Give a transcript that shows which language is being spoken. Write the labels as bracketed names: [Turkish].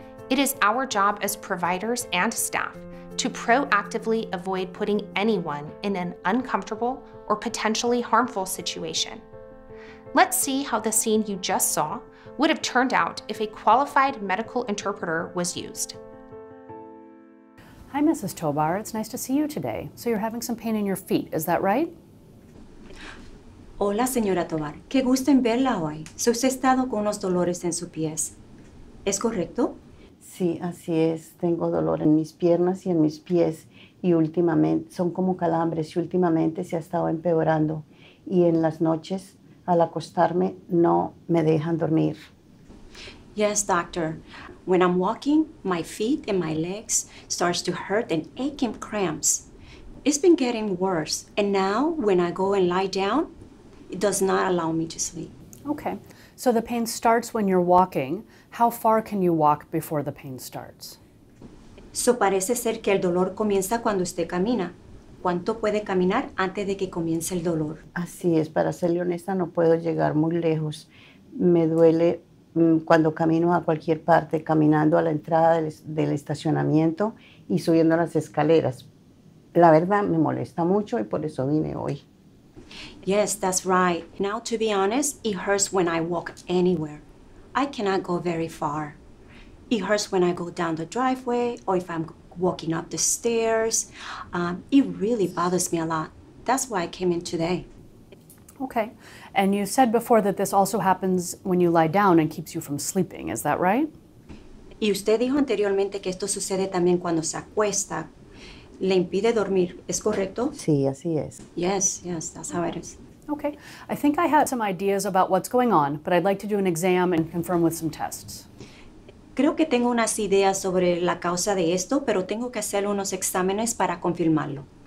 [English] It is our job as providers and staff to proactively avoid putting anyone in an uncomfortable or potentially harmful situation. Let's see how the scene you just saw would have turned out if a qualified medical interpreter was used. Hi, Mrs. Tobar. It's nice to see you today. So you're having some pain in your feet, is that right? [Spanish] Hola, señora Tobar. Qué gusto en verla hoy. Se ha estado con unos dolores en sus pies. ¿Es correcto? Sí, así es. Tengo dolor en mis piernas y en mis pies. Y últimamente, son como calambres. Y últimamente se ha estado empeorando. Y en las noches, al acostarme, no me dejan dormir. [English] Yes, doctor. When I'm walking, my feet and my legs starts to hurt and ache and cramps. It's been getting worse. And now, when I go and lie down, it does not allow me to sleep. Okay, so the pain starts when you're walking. How far can you walk before the pain starts? [Spanish] So parece ser que el dolor comienza cuando usted camina. ¿Cuánto puede caminar antes de que comience el dolor? Así es, para serle honesta, no puedo llegar muy lejos. Me duele cuando camino a cualquier parte, caminando a la entrada del estacionamiento y subiendo las escaleras. La verdad, me molesta mucho y por eso vine hoy. [English] Yes, that's right. Now, to be honest, it hurts when I walk anywhere. I cannot go very far. It hurts when I go down the driveway or if I'm walking up the stairs. It really bothers me a lot. That's why I came in today. Okay. And you said before that this also happens when you lie down and keeps you from sleeping. Is that right? [Spanish] Y usted dijo anteriormente que esto sucede también cuando se acuesta. Le impide dormir. ¿Es correcto? Sí, así es. [English] Yes, yes, that's how it is. Okay. I think I had some ideas about what's going on, but I'd like to do an exam and confirm with some tests. [Spanish] Creo que tengo unas ideas sobre la causa de esto, pero tengo que hacer unos exámenes para confirmarlo.